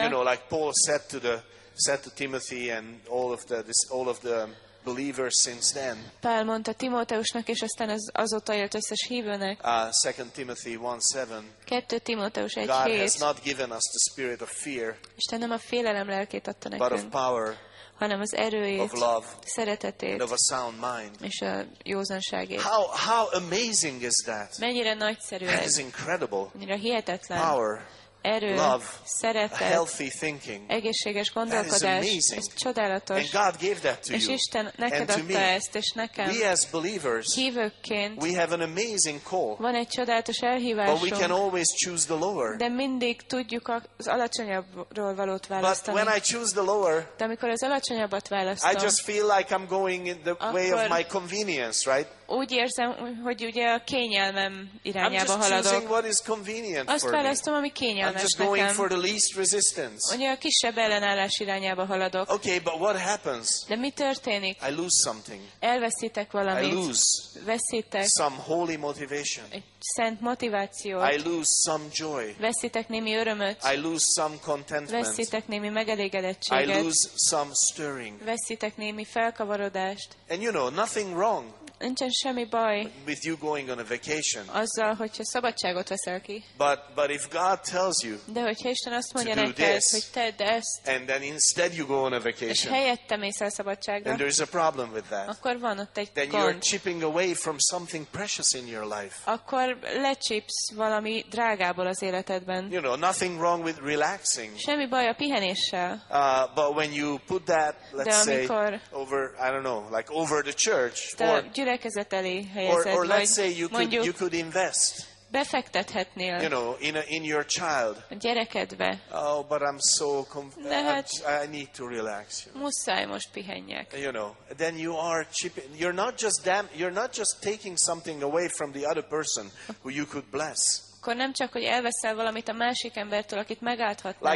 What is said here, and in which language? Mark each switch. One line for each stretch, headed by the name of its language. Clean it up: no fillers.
English: you know, like Paul said to Timothy and all of the believer since then.
Hungarian: Pál mondta Timóteusnak, és aztán az azóta élt összes hívőnek.
English: 2 Timothy 1:7.
Hungarian: 2 Timóteus 1:7.
English: God has not given us the spirit of fear.
Hungarian: Isten nem a félelem lelkét adta nekünk.
English: But of power.
Hungarian: Hanem az erőjét,
English: of love,
Hungarian: szeretetét,
English: and of a sound mind.
Hungarian: És a józanságét.
English: How amazing is that?
Hungarian: Mennyire nagyszerű ez.
English: That is incredible.
Hungarian: Mennyire hihetetlen.
English: Power,
Hungarian: erő,
English: love,
Hungarian: szeretet,
English: healthy thinking.
Hungarian: Egészséges gondolkodás.
English: That is amazing.
Hungarian: Ez csodálatos.
English: And God gave that to you.
Hungarian: És Isten neked adta ezt, és nekem.
English: We as believers,
Hungarian: hívőként,
English: we have an amazing call.
Hungarian: Van egy csodálatos elhívásunk.
English: But we can always choose the lower.
Hungarian: De mindig tudjuk az alacsonyabbról valót választani.
English: But when I choose the lower,
Hungarian: de amikor az alacsonyabbat választom,
English: I just feel like I'm going in the way of my convenience, right?
Hungarian: Úgy érzem, hogy ugye a kényelmem irányába haladok.
English: What is convenient
Hungarian: azt választom, ami kényelmes
English: I'm just
Hungarian: nekem.
English: Going for the least resistance.
Hungarian: Ugye a kisebb ellenállás irányába haladok.
English: Okay, but what happens?
Hungarian: De mi történik?
English: I lose something.
Hungarian: Elveszítek valamit.
English: I lose
Hungarian: veszítek
English: some holy motivation.
Hungarian: Egy szent motivációt.
English: I lose some joy.
Hungarian: Veszítek némi örömöt.
English: I lose some contentment.
Hungarian: Veszítek némi megelégedettséget.
English: I lose some stirring.
Hungarian: Veszítek némi felkavarodást.
English: And you know, nothing wrong.
Hungarian: Nincsen semmi baj.
English: With you going on a vacation.
Hungarian: Azzal, hogyha szabadságot veszel ki.
English: But if God tells you.
Hungarian: De hogyha Isten azt mondja neked, hogy tedd ezt.
English: And then instead you go on a vacation.
Hungarian: És helyette mész el szabadságra.
English: And there is a problem with that.
Hungarian: Akkor van ott egy
English: then
Hungarian: gond.
English: You're chipping away from something precious in your life.
Hungarian: Akkor lecsipsz valami drágából az életedben.
English: You know, nothing wrong with relaxing.
Hungarian: Semmi baj a pihenéssel.
English: But when you put that, let's
Hungarian: amikor,
English: say, over, I don't know, like over the church. Or let's say you could invest.
Hungarian: Befektethetnél.
English: You know, in your child.
Hungarian: A gyerekedbe.
English: Oh, but I'm so
Hungarian: lehet,
English: I need to relax. You know.
Hungarian: Muszáj most pihenjek.
English: You know, then you are chipping. You're not just you're not just taking something away from the other person who you could bless.
Hungarian: Akkor nem csak, hogy elveszel valamit a másik embertől, akit megállhatnál.